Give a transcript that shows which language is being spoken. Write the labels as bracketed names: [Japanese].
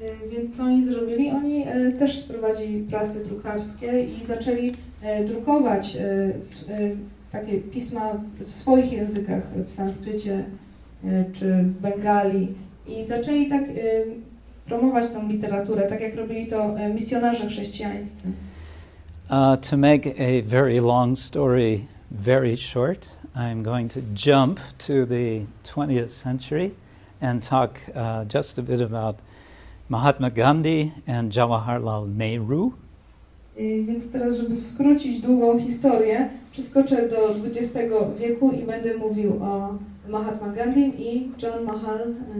[Polish] Więc co oni zrobili? Oni też sprowadzili prasy drukarskie i zaczęli drukować takie pisma w swoich językach, w sanskrycie czy Bengali, i zaczęli tak promować tą literaturę, tak jak robili to misjonarze chrześcijańscy. [English] To make a very long story very short, I'm going to jump to the 20th century and talk just a bit about Mahatma Gandhi and Jawaharlal Nehru. [Polish] Więc teraz, żeby skrócić długą historię, przeskoczę do XX wieku i będę mówił o Mahatma Gandhi i Jawaharlal